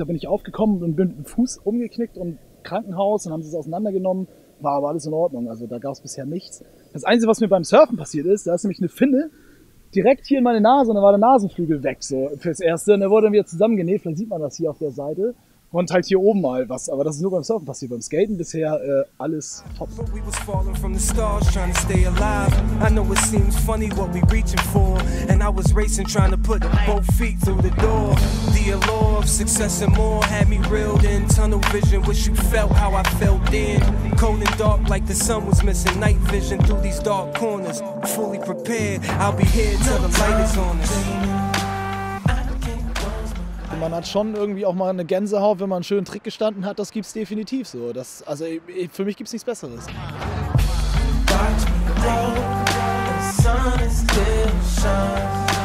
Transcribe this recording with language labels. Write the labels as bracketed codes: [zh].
[de] Da bin ich aufgekommen und bin mit dem Fuß umgeknickt und Krankenhaus und haben sie es auseinandergenommen. War aber alles in Ordnung, also da gab es bisher nichts. Das Einzige, was mir beim Surfen passiert ist, da ist nämlich eine Finne direkt hier in meine Nase und da war der Nasenflügel weg, so fürs Erste. Und der wurde dann wieder zusammengenäht, vielleicht sieht man das hier auf der Seite. Und halt hier oben mal was, aber das ist nur beim Surfen passiert. Beim Skaten bisher alles top. [en] But we was falling from the stars trying to stay alive. I know it seems funny what we reaching for. And I was racing trying to put both feet through the door. The allure of success and more had me reeled in. Tunnel vision, wish you felt how I felt then. Cold and dark like the sun was missing. Night vision through these dark corners. Fully prepared, I'll be here till the light is on us. [de] Man hat schon irgendwie auch mal eine Gänsehaut, wenn man einen schönen Trick gestanden hat. Das gibt's definitiv so. Das, also für mich gibt's nichts Besseres. [en] Watch me roll, the sun is still shining.